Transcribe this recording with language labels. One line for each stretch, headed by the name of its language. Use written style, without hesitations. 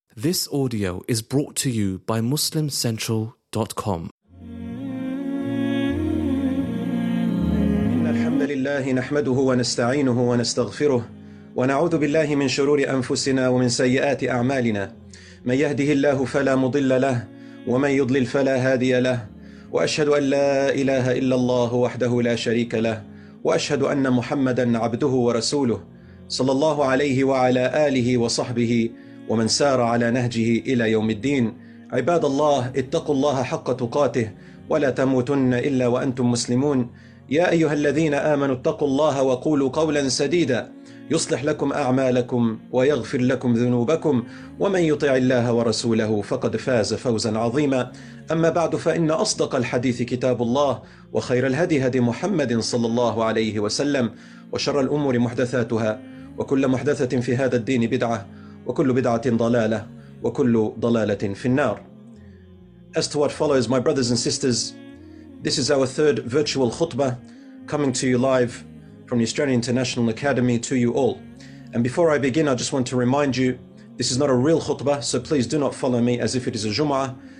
English: This audio is brought to you by MuslimCentral.com.
Arabic: إن الحمد لله نحمده ونستعينه ونستغفره ونعوذ بالله من شرور أنفسنا ومن سيئات أعمالنا من يهده الله فلا مضل له ومن يضلل فلا هادي له وأشهد أن لا إله إلا الله وحده لا شريك له وأشهد أن محمدا عبده ورسوله صلى الله عليه وعلى آله وصحبه ومن سار على نهجه إلى يوم الدين عباد الله اتقوا الله حق تقاته ولا تموتن إلا وأنتم مسلمون يا أيها الذين آمنوا اتقوا الله وقولوا قولا سديدا يصلح لكم أعمالكم ويغفر لكم ذنوبكم ومن يطع الله ورسوله فقد فاز فوزا عظيما أما بعد فإن أصدق الحديث كتاب الله وخير الهدي هدي محمد صلى الله عليه وسلم وشر الأمور محدثاتها وكل محدثة في هذا الدين بدعة وكل بدعة ضلالة وكل ضلالة في النار.
English: As to what follows, my brothers and sisters, this is our third virtual khutbah coming to you live from the Australian International Academy to you all. And before I begin, I just want to remind you, this is not a real khutbah, so please do not follow me as if it is a Jum'ah.